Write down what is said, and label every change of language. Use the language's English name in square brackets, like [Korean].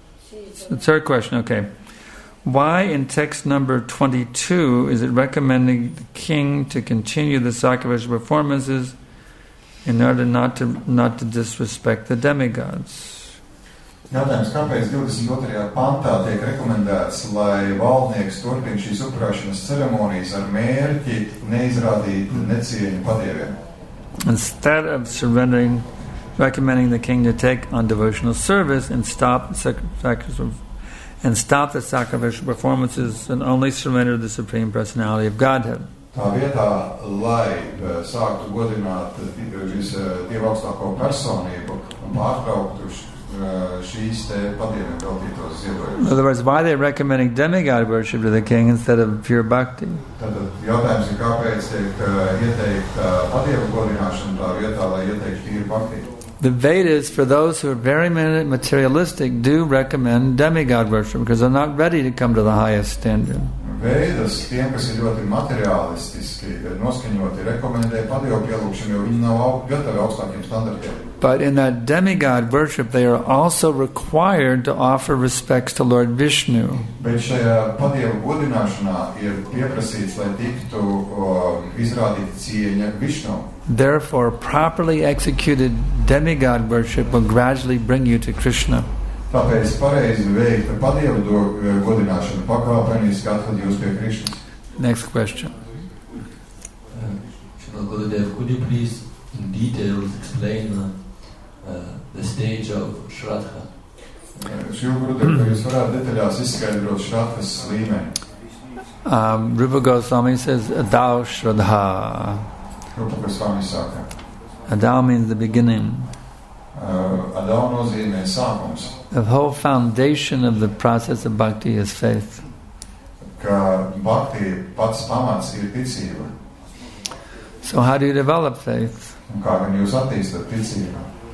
[English] It's her question, okay. Why in text number 22 is it recommending the king to continue the sacrificial performances in order not to disrespect the demigods? [Latvian] Jautājums, kāpēc 22. Pantā tiek rekomendēts, lai valdnieks turpina šīs upurāšanas ceremonijas ar mērķi neizrādīt necieņu padieviem? [English] Instead of surrendering, recommending the king to take on devotional service and stop the sacrificial performances and only surrender the Supreme Personality of Godhead. [Latvian] Tā vietā, lai sāktu godināt Dieva augstāko personību un pārtrauktu šīs te padieviem veltītos ziedojumus. [English] In other words, why they're recommending demigod worship to the king instead of pure bhakti? [Latvian] Tātad jautājums ir, kāpēc tiek ieteikt padievu godināšanu tā vietā, lai ieteikt [English] pure bhakti? The Vedas, for those who are very materialistic, do recommend demigod worship because they're not ready to come to the highest standard. [Latvian] Vedas, tiem, kas ir ļoti materialistiski, noskaņoti, rekomendē padievu pielūkšanu, jo viņi nav gatavi augstākiem standartiem. [English] But in that demigod worship, they are also required to offer respects to Lord Vishnu. [Latvian] Bet šajā padievu godināšanā ir pieprasīts, lai tiktu izrādīt cieņa Vishnu. [English] Therefore, properly executed demigod worship will gradually bring you to Krishna. [Latvian] Tāpēc pareizi veikt padievu godināšanu pakāpeniski atved jūs pie Krishna. [English] Next question. Gurudev, could you please in details explain the stage of Shraddha? [Latvian] Gurudev, jūs varētu detaļās izskaidrot Shraddhas līmeni. [English] Rupa Goswami says, Adau Shraddha. [Latvian] Rupa Goswami saka. [English] Adau means the beginning. [Latvian] Adau nozīmē sākums. [English] The whole foundation of the process of bhakti is faith. [Latvian] Ka bhakti pats pamats ir ticība. [English] So how do you develop faith? [Latvian] Un kā gan jūs attīstat ticību?